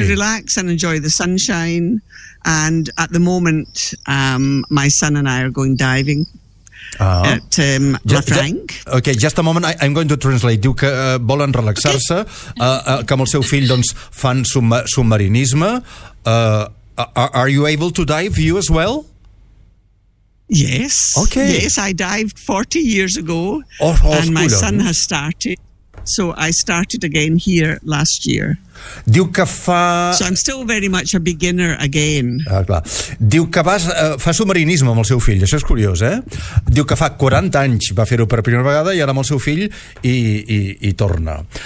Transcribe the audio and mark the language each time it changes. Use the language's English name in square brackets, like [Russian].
[English] To relax and enjoy the sunshine. And at the moment, my son and I are going diving at Llafranc. Okay, just a moment, I'm going to translate. [Catalan] Diu que volen relaxar-se, que amb el seu fill doncs fan submarinisme. [English] Are you able to dive, you as well? Yes. Okay. Yes, I dived 40 years ago. And my son has started. So I started again here last year. [Catalan] Diu que fa... [English] So I'm still very much a beginner again. [Catalan] Ah, clar. Diu que fa submarinisme amb el seu fill. Això és curiós, eh? Diu que fa 40 anys va fer-ho per primera vegada i ara amb el seu fill i torna.